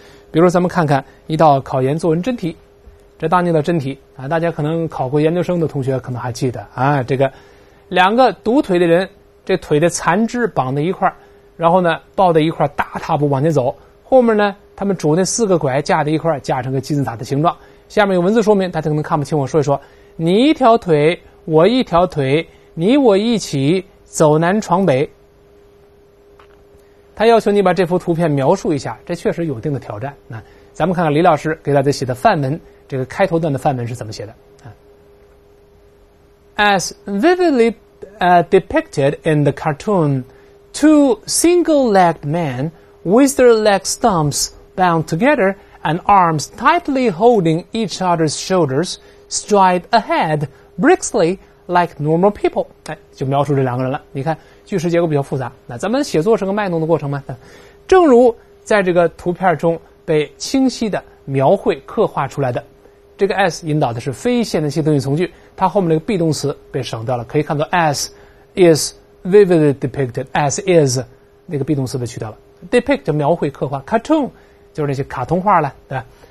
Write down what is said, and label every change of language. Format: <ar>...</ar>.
<zh>比如咱们看看一道考研作文真题，这当年的真题啊，大家可能考过研究生的同学可能还记得啊，这个两个独腿的人，这腿的残肢绑在一块，然后呢抱在一块大踏步往前走，后面呢他们拄那四个拐架在一块，架成个金字塔的形状，下面有文字说明，大家可能看不清，我说一说，你一条腿我一条腿，你我一起走南闯北。他要求你把这幅图片描述一下，这确实有一定的挑战。那咱们看看李老师给大家写的范文，这个开头段的范文是怎么写的。</zh> <en>As vividly depicted in the cartoon, two single-legged men with their leg stumps bound together and arms tightly holding each other's shoulders stride ahead briskly like normal people.</en> <zh>就描述这两个人了。你看句式结构比较复杂。那咱们写作是个脉动的过程吗？正如在这个图片中被清晰的描绘刻画出来的，这个 as 引导的是非现在性动语从句，它后面那个 be 动词被省掉了，可以看作</zh> <en>as is vividly depicted,</en> <zh>as is 那个 be 动词被去掉了， depict 描绘刻画， cartoon 就是那些卡通画了，对吧？</zh>